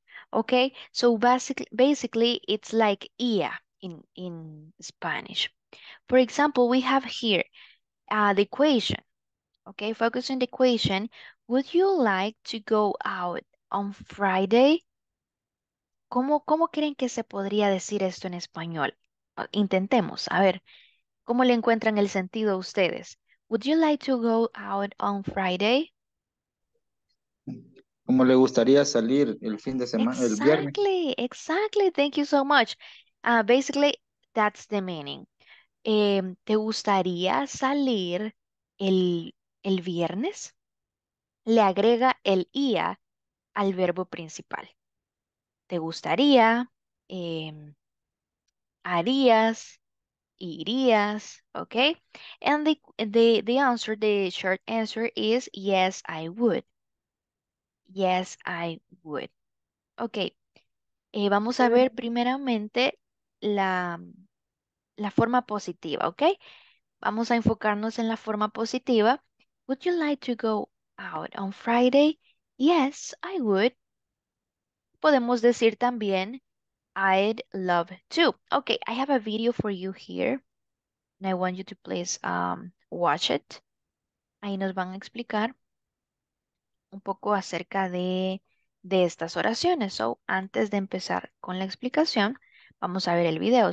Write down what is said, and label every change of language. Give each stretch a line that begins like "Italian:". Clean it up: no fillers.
English: Okay, so basically it's like IA in Spanish. For example, we have here the equation. Okay, focus on the equation. Would you like to go out on Friday?
Spanish: ¿Cómo creen que se podría decir esto en español? Intentemos, a ver, ¿cómo le encuentran el sentido a ustedes?
English: Would you like to go out on Friday?
Spanish: ¿Cómo le gustaría salir el fin de semana, el viernes?
English: Exactly. Thank you so much. Basically, that's the meaning.
Spanish: ¿Te gustaría salir el viernes? Le agrega el IA al verbo principal. ¿Te gustaría? ¿Harías? Irías, okay?
English: And the answer, the short answer is yes, I would. Yes, I would.
Spanish: Okay. Vamos a ver primeramente la forma positiva, okay? Vamos a enfocarnos en la forma positiva.
English: Would you like to go out on Friday? Yes, I would.
Spanish: Podemos decir también
English: I'd love to. Okay, I have a video for you here. And I want you to please watch it.
Spanish: Ahí nos van a explicar un poco acerca de estas oraciones. So, antes de empezar con la explicación, vamos a ver el video.